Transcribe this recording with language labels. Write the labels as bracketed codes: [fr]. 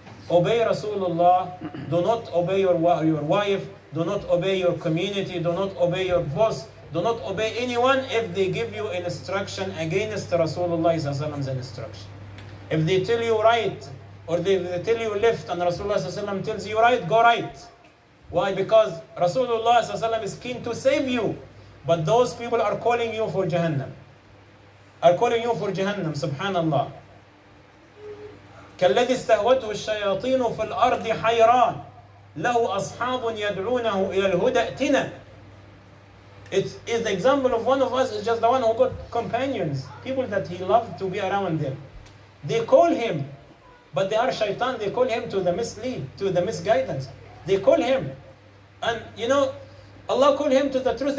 [en] Obey Rasulullah, do not obey your wife, do not obey your community, do not obey your boss, do not obey anyone if they give you an instruction against Rasulullah's instruction. If they tell you right, or if they tell you left, and Rasulullah tells you right, go right. Why? Because Rasulullah is keen to save you, but those people are calling you for Jahannam. Are calling you for Jahannam, subhanallah. [ar] كالذي استهوته الشياطين في الأرض حيران له أصحاب يدعونه إلى الهدى أتنا. [en] It is the example of one of us, is just the one who got companions, people that he loved to be around them. They call him, but they are shaitan. They call him to the mislead, to the misguidance. They call him, and Allah called him to the truth.